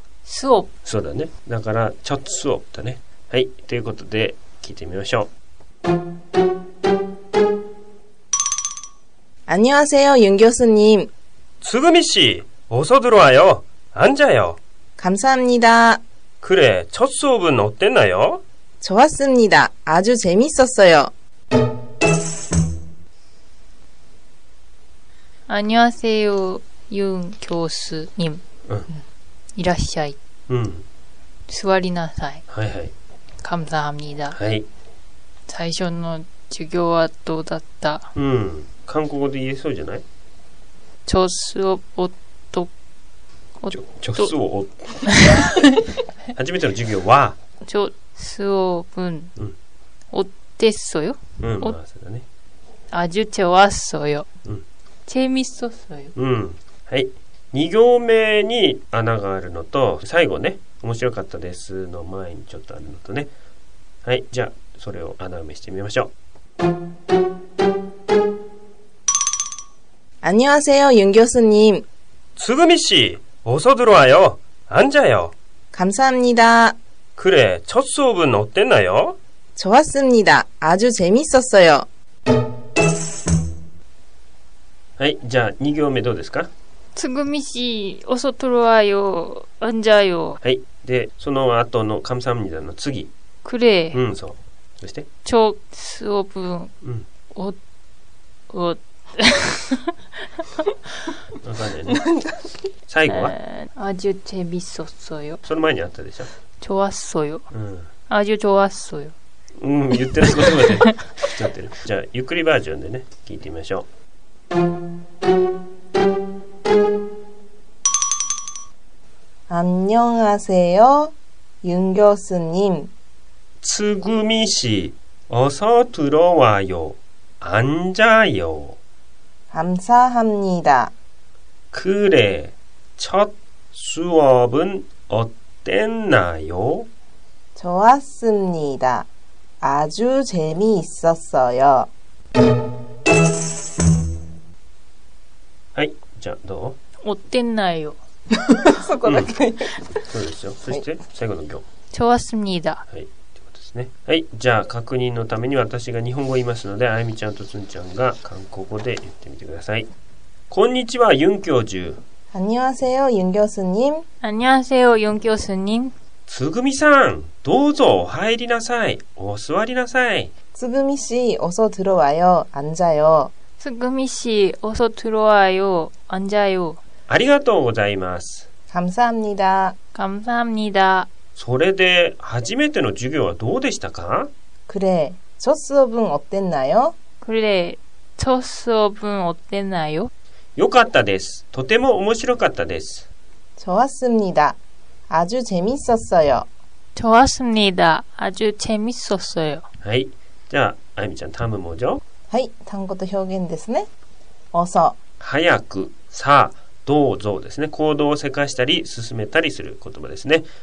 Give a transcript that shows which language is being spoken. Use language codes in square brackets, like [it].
[ko] スオ [ja] そうだね。だからちょっとスオだね。はい、ということで聞いてみましょう。 [ko] 안녕하세요윤교수님 つぐみ씨어서들어와요앉아요 감사합니다 그래첫수업은어땠나요 좋았습니다아주재밌었어요 안녕하세요윤교수님이라시아이스와리나사이감사합니다 [ja] はい最初の授業はどうだった？うん、韓国語で言えそうじゃない？ [ko] チョスオオト。チョスオオト。 [ja] 初めての授業は。 [ko] チョスオブン。オテッソよ。 [ja] うん、まあそうだね。 [ko] アジュチョワッソよ。チェミッソソよ。 [ja] うん。はい。 2行目に穴があるのと、最後ね、面白かったですの前にちょっとあるのとね。はい、じゃあ。それを穴埋めしてみましょう。 [ko] 안녕하세요윤교수님 つぐみ씨어서들어와요앉아요 감사합니다 그래첫수업은어땠나요 좋았습니다아주재밌었어요 [ja] はい、じゃあ2行目どうですか。 [ko] つぐみ씨어서들어와요앉아요。 [ja] はい、でその後の [ko] 감사합니다 [ja] の次。 [ko] 그래、 [ja] うん、そう。そして、 [ko] チョスオブン、 [ja] うん、お、わかんないね。最後は、 [ko] あじゅチェミソッソよ。 [ja] その前にあったでしょ。 [ko] チョワッソよ。 [ja] うん。 [ko] あじゅチョワッソよ。 [ja] うん、言ってないことまで聞き取ってる。じゃあゆっくりバージョンでね、聞いてみましょう。 [ko] 안녕하세요윤교수님 つぐみ씨어서들어와요앉아요 감사합니다 그래첫수업은어땠나요 좋았습니다아주재미있었어요 [ja] はい、じゃあどう？ [ko] 어땠나요 [ja] そこだけ、うん、そうですよ。そして最後の行、 [ko] 좋았습니다。 [ja] はいね、はい、じゃあ確認のために私が日本語を言いますので、あやみちゃんとつんちゃんが韓国語で言ってみてください。こんにちはユン教授。 [ko] 안녕하세요윤교수님。 안녕하세요윤교수님。 [ja] つぐみさんどうぞお入りなさい。お座りなさい。 [ko] つぐみ씨어서들어와요앉아요。つぐみ씨어서들어와요앉아요。 [ja] ありがとうございます。 [ko] 감사합니다。 감사합니다。 [ja] それで初めての授業はどうでしたか？ [ko] 그래첫수업은어땠나요？ 그래첫수업은어땠나요？ [ja] よかったです。とても面白かったです。 [ko] 좋았습니다아주재밌었어요。 좋았습니다아주재밌었어요。 [ja] はい、じゃああゆみちゃん単語もじゃ。はい、単語と表現ですね。 [ko] 어서、 [ja] 早く、さあ、どうぞですね。行動をせかしたり進めたりする言葉ですね。